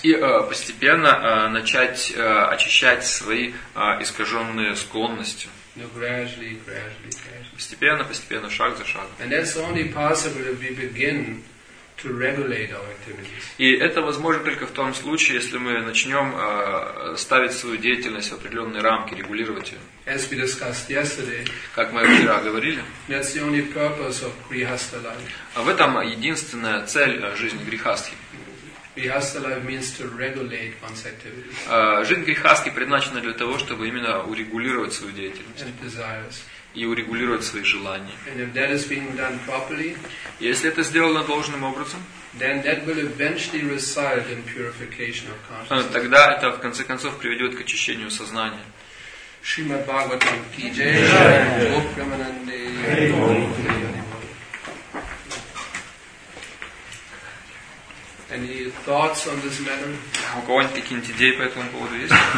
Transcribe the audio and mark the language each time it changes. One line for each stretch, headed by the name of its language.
Russian: И постепенно начать очищать свои искаженные склонности.
English: No, gradually, gradually, gradually.
Russian: Постепенно, постепенно, шаг за шагом.
English: And that's only possible if we begin to regulate our activities.
Russian: И это возможно только в том случае, если мы начнем ставить свою деятельность в определенные рамки, регулировать ее.
English: As we discussed yesterday.
Russian: Как мы вчера говорили.
English: That's the only purpose of grihastha life.
Russian: А в этом единственная цель жизни грихастхи.
English: Grihastha life means to regulate one's activities.
Russian: Жизнь грихастхи предназначена для того, чтобы именно урегулировать свою деятельность.
English: And desires.
Russian: И урегулировать свои желания.
English: And if that is being done properly,
Russian: если это сделано должным образом,
English: then that will eventually result in purification of consciousness.
Russian: Тогда это в конце концов приведет к очищению сознания.
Hindi: Shrimad Bhagavatam Ki Jai.
English: Any thoughts on this matter?
Russian: У кого-нибудь какие-нибудь идеи по этому поводу есть?